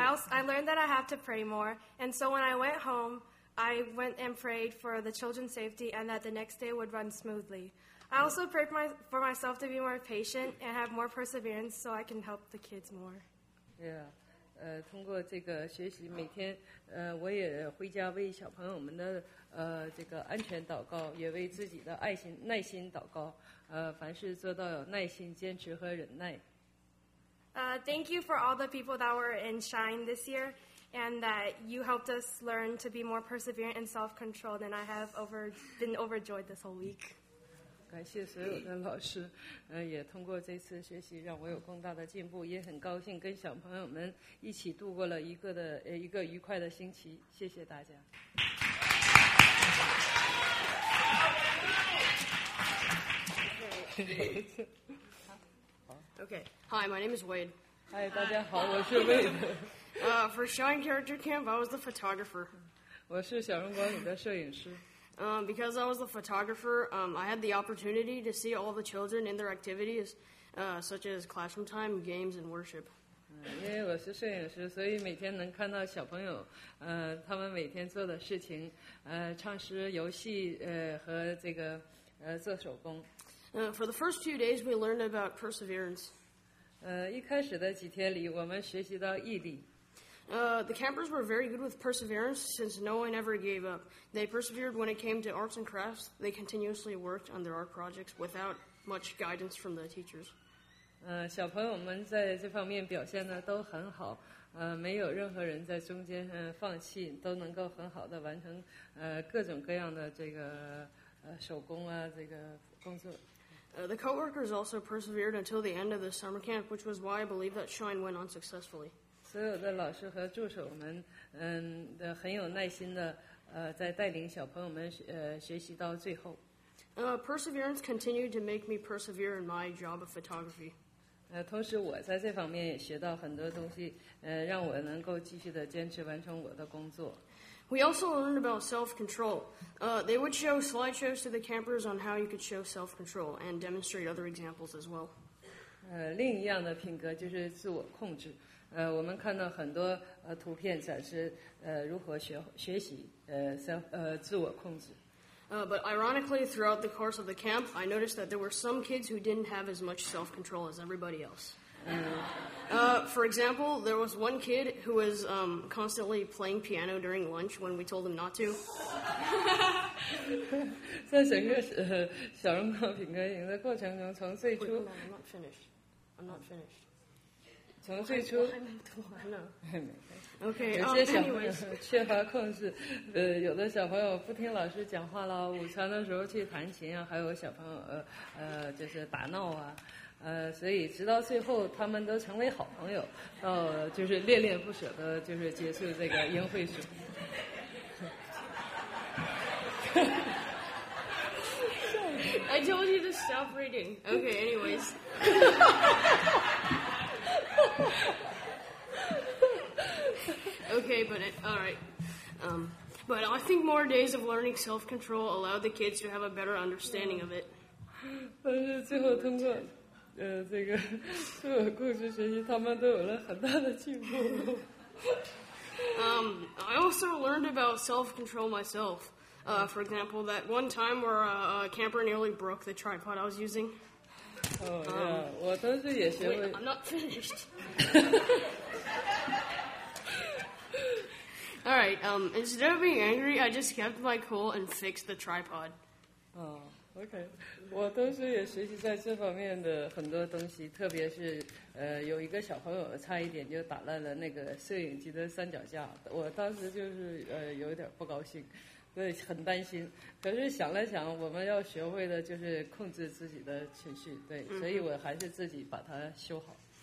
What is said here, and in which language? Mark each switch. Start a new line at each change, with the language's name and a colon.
English: I learned that I have to pray more, and so when I went home, I went and prayed for the children's safety and that the next day would run smoothly. I also prayed for myself to be more patient and have more perseverance so I can help the kids more.
Chinese: Yeah, 通过这个学习，每天我也回家为小朋友们的这个安全祷告，也为自己的爱心耐心祷告。凡事做到有耐心、坚持和忍耐。
English: Thank you for all the people that were in Shine this year, and that you helped us learn to be more perseverant and self-controlled, and I have been overjoyed this whole week.
Chinese: 感谢所有的老师，也通过这次学习让我有更大的进步，也很高兴跟小朋友们一起度过了一个愉快的星期，谢谢大家。
English: Okay. Hi, my name is Wade.
Chinese: Hi, 大家好，我是 Wade.
English: For Shine Character Camp, I was the photographer.
Chinese: 我是小人国里的摄影师。
English: Because I was the photographer, I had the opportunity to see all the children in their activities, such as classroom time, games, and worship.
Chinese: 因为我是摄影师，所以每天能看到小朋友，他们每天做的事情，唱诗、游戏，和这个，做手工。
English: For the first 2 days, we learned about perseverance.
Chinese: 一开始的几天里，我们学习到毅力。
English: The campers were very good with perseverance since no one ever gave up. They persevered when it came to arts and crafts. They continuously worked on their art projects without much guidance from the teachers.
Chinese: 小朋友们在这方面表现的都很好，没有任何人在中间放弃，都能够很好的完成各种各样的这个手工啊这个工作。
English: The coworkers also persevered until the end of the summer camp, which was why I believe that Shine went on successfully.
Chinese: 所有的老师和助手们，很有耐心的，在带领小朋友们学习到最后。
English: Perseverance continued to make me persevere in my job of photography.
Chinese: 同时我在这方面也学到很多东西，让我能够继续的坚持完成我的工作。
English: We also learned about self-control. They would show slideshows to the campers on how you could show self-control and demonstrate other examples as well.
Chinese: 另一样的品格就是自我控制。我们看到很多图片展示如何学习自我控制。
English: But ironically, throughout the course of the camp, I noticed that there were some kids who didn't have as much self-control as everybody else. For example, there was one kid who was constantly playing piano during lunch when we told him not to.
Chinese: 在整个小人国品格营的过程中，从最初
English: I'm not finished.
Chinese: 从最初，
English: okay,
Chinese: 有些小朋友缺乏控制，有的小朋友不听老师讲话了，午餐的时候去弹琴啊，还有小朋友就是打闹啊，所以直到最后他们都成为好朋友，到就是恋恋不舍的，就是结束这个宴会时。
English: I told you to stop reading. Okay, anyways. Okay, but alright. But I think more days of learning self-control allowed the kids to have a better understanding of it.
Chinese: 但是最后通过这个自我控制学习，他们都有了很大的进步。
English: I also learned about self-control myself. For example, that one time where a camper nearly broke the tripod I was using. Oh, yeah. Wait, I'm not finished. Alright, instead of being angry, I just kept my cool and fixed the tripod.
Chinese: Oh, okay. 我都是也学习在这方面的很多东西，特别是有一个小朋友差一点就打烂了那个摄影机的三脚架，我当时就是有点不高兴，对，很担心。可是想了想，我们要学会的就是控制自己的情绪，对，所以我还是自己把它修好。